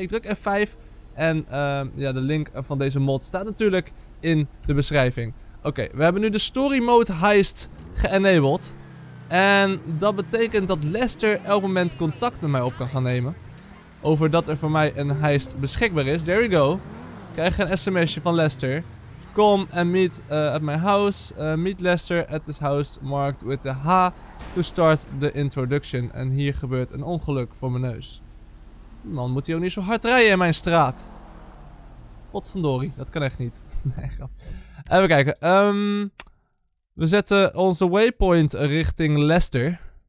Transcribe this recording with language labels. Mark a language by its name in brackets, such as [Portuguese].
[Dutch] Ik druk F5 en de link van deze mod staat natuurlijk in de beschrijving. Oké, we hebben nu de story mode heist geenabled. En dat betekent dat Lester elk moment contact met mij op kan gaan nemen. Over dat er voor mij een heist beschikbaar is. [English] There we go. [Dutch] Ik krijg een smsje van Lester. Kom en [English] meet at my house. Meet Lester at this house marked with the H. To start the introduction. [Dutch] En hier gebeurt een ongeluk voor mijn neus. Man, moet hij ook niet zo hard rijden in mijn straat. Potverdorie, dat kan echt niet. Nee, grap. Even kijken. We zetten onze waypoint richting Lester.